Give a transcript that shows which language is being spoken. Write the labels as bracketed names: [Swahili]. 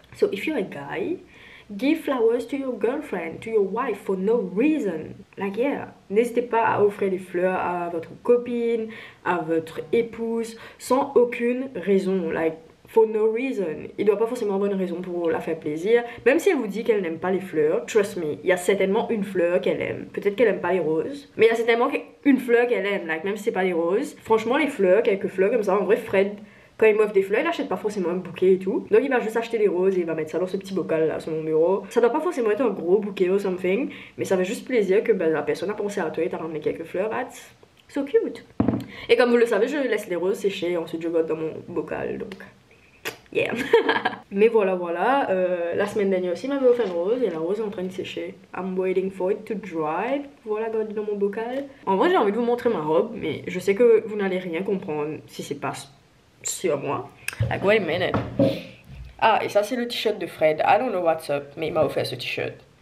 [English] So if you're a guy, give flowers to your girlfriend, to your wife for no reason. Like yeah. [French] N'hésitez pas à offrir des fleurs à votre copine, à votre épouse, sans aucune raison. [English] Like for no reason. [French] Il doit pas forcément avoir une raison pour la faire plaisir. Même si elle vous dit qu'elle n'aime pas les fleurs, [English] trust me, [French] il y a certainement une fleur qu'elle aime. Peut-être qu'elle aime pas les roses, mais il y a certainement une fleur qu'elle aime. Like même si c'est pas les roses. Franchement les fleurs, quelques fleurs comme ça, en vrai Fred, quand il m'offre des fleurs, il n'achète pas forcément un bouquet et tout. Donc il va juste acheter des roses et il va mettre ça dans ce petit bocal là sur mon bureau. Ça doit pas forcément être un gros bouquet ou something, mais ça fait juste plaisir que ben, la personne a pensé à toi et t'a ramené quelques fleurs. [English] That's so cute. [French] Et comme vous le savez, je laisse les roses sécher et ensuite je gote dans mon bocal. Donc yeah. Mais voilà, voilà. La semaine dernière aussi, il m'avait offert une rose et la rose est en train de sécher. [English] I'm waiting for it to dry. [French] Voilà, gote dans mon bocal. En vrai, j'ai envie de vous montrer ma robe, mais je sais que vous n'allez rien comprendre si c'est pas sur moi. [English] Like wait a minute. [French] Ah, et ça c'est le t-shirt de Fred. [English] I don't know what's up, [French] mais il m'a offert ce t-shirt.